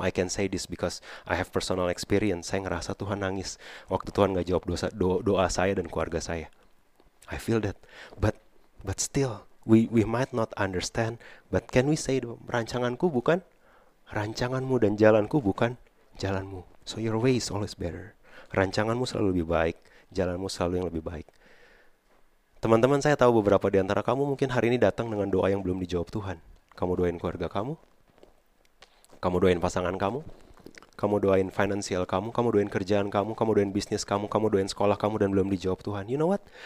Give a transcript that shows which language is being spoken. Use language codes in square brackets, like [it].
[en] I can say this because I have personal experience. [id] Saya ngerasa Tuhan nangis waktu Tuhan gak jawab doa saya dan keluarga saya. [en] I feel that. But still, we might not understand. But can we say, [id] rancanganku bukan rancanganmu dan jalanku bukan jalanmu. [en] So your way is always better. [id] Rancanganmu selalu lebih baik. Jalanmu selalu yang lebih baik. Teman-teman, saya tahu beberapa di antara kamu mungkin hari ini datang dengan doa yang belum dijawab Tuhan. Kamu doain keluarga kamu. Kamu doain pasangan kamu. Kamu doain financial kamu. Kamu doain kerjaan kamu. Kamu doain bisnis kamu. Kamu doain sekolah kamu dan belum dijawab Tuhan. [en] You know what?